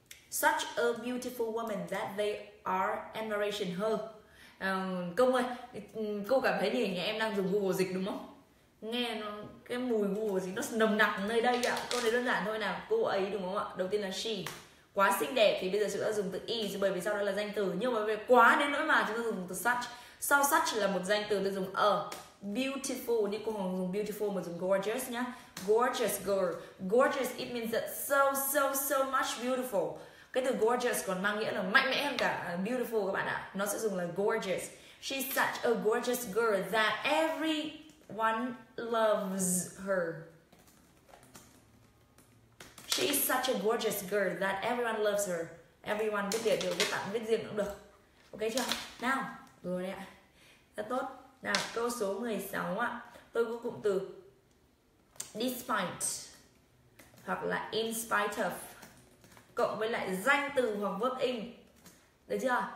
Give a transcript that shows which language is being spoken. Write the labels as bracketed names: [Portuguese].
[English] Such a beautiful woman that they are admiration her. [Vietnamese] Công ơi, cô cảm thấy như em đang dùng Google dịch đúng không? Nghe nó, cái mùi Google dịch nó nồng nặc nơi đây ạ. Câu này đơn giản thôi nào, cô ấy đúng không ạ? Đầu tiên là she. Quá xinh đẹp thì bây giờ chúng ta dùng từ is, bởi vì sau đó là danh từ. Nhưng mà về quá đến nỗi mà chúng ta dùng từ such. Sau such là một danh từ, tôi dùng a. Beautiful, như cô Hồng dùng beautiful mà dùng gorgeous nhá. [English] Gorgeous girl. Gorgeous, it means that so much beautiful. [Vietnamese] Cái từ gorgeous còn mang nghĩa là mạnh mẽ hơn cả beautiful các bạn ạ. Nó sẽ dùng là gorgeous. [English] She's such a gorgeous girl that everyone loves her. She's such a gorgeous girl that everyone loves her. [Vietnamese] Everyone biết địa được, biết tặng, biết riêng cũng được. Ok chưa? Nào, rồi đấy ạ. Rất tốt. Nào, câu số 16 ạ. Tôi có cụm từ despite hoặc là in spite of cộng với lại danh từ hoặc verb in. Được chưa?